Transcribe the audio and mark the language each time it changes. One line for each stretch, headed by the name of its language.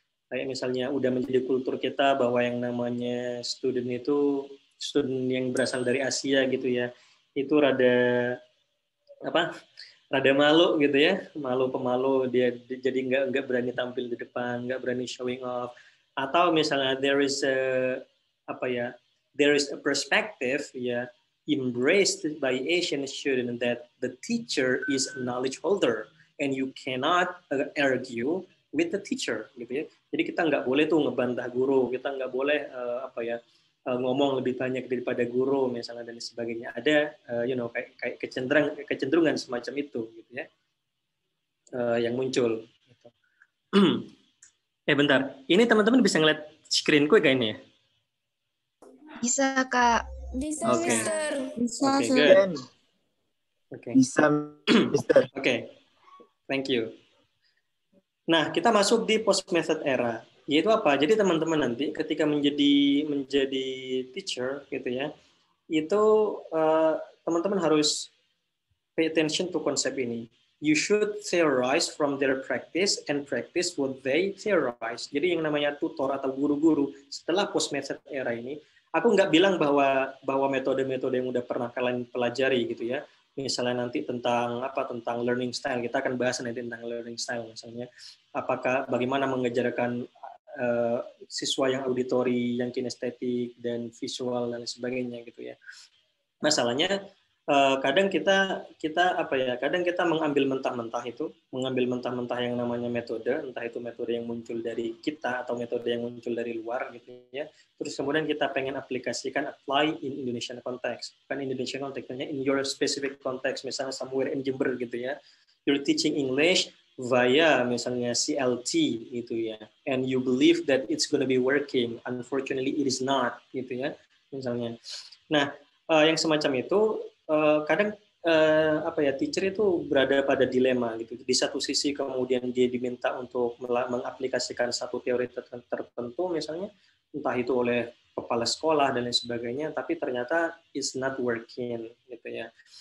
Indonesian: Kayak misalnya udah menjadi kultur kita bahwa yang namanya student itu student yang berasal dari Asia gitu ya, itu rada malu gitu ya, malu pemalu dia jadi nggak berani tampil di depan, nggak berani showing off. Atau misalnya
English: there is a perspective ya embraced by Asian student that the teacher is a knowledge holder and you cannot argue with the teacher gitu ya.
Indonesian: Jadi kita nggak boleh tuh ngebantah guru, kita nggak boleh ngomong lebih banyak daripada guru misalnya dan sebagainya. Ada kayak kecenderungan semacam itu gitu ya yang muncul gitu. bentar, ini teman-teman bisa ngeliat screenku gak ini ya? Bisa kak. Bisa okay. Mister. Bisa okay, good. Okay. Bisa Mister.
English: Okay. Thank you.
Indonesian: Nah, kita masuk di post method era. Yaitu apa? Jadi teman-teman nanti ketika menjadi teacher gitu ya, itu teman-teman harus
English: pay attention to
Indonesian: konsep ini.
English: You should theorize from their practice and practice what they theorize.
Indonesian: Jadi yang namanya tutor atau guru-guru setelah post method era ini, aku nggak bilang bahwa metode-metode yang udah pernah kalian pelajari gitu ya. Misalnya nanti tentang learning style, kita akan bahas nanti tentang learning style misalnya. Apakah bagaimana mengejarkan siswa yang auditory, yang kinestetik dan visual dan sebagainya gitu ya. Masalahnya kadang kita mengambil mentah-mentah itu, mengambil mentah-mentah yang namanya metode, entah itu metode yang muncul dari kita atau metode yang muncul dari luar gitu ya. Terus kemudian kita pengen aplikasikan
English: apply in Indonesian context.
Indonesian: Bukan
English: Indonesian context, in your specific context, misalnya somewhere in Jember gitu ya. You're teaching English via
Indonesian: misalnya
English: CLT gitu ya. And you believe that it's gonna be working. Unfortunately, it is not
Indonesian: gitu ya. Misalnya. Nah, yang semacam itu kadang teacher itu berada pada dilema gitu. Di satu sisi kemudian dia diminta untuk mengaplikasikan satu teori tertentu misalnya, entah itu oleh kepala sekolah dan lain sebagainya, tapi ternyata
English: it's not working
Indonesian: gitu ya.